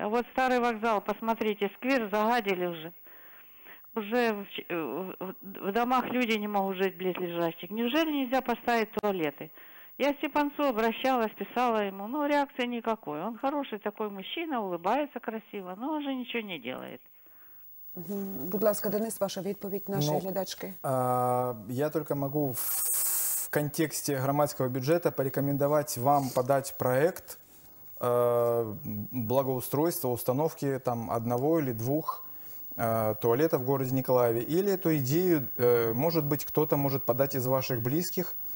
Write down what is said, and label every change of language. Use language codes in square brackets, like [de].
[ru] А вот старый вокзал, посмотрите, сквер загадили уже. Уже в домах люди не могут жить близлежащих. Неужели нельзя поставить туалеты? Я Степанцу обращалась, писала ему, но реакции никакой. Он хороший такой мужчина, улыбается красиво, но уже ничего не делает. [uk] Будь ласка, Денис, ваша відповідь нашей глядачки. [ru] Я только могу в контексте громадского бюджета порекомендовать вам подать проект благоустройства, установки там одного или двух туалетов в городе Николаеве. Или эту идею, может быть, кто-то может подать из ваших близких.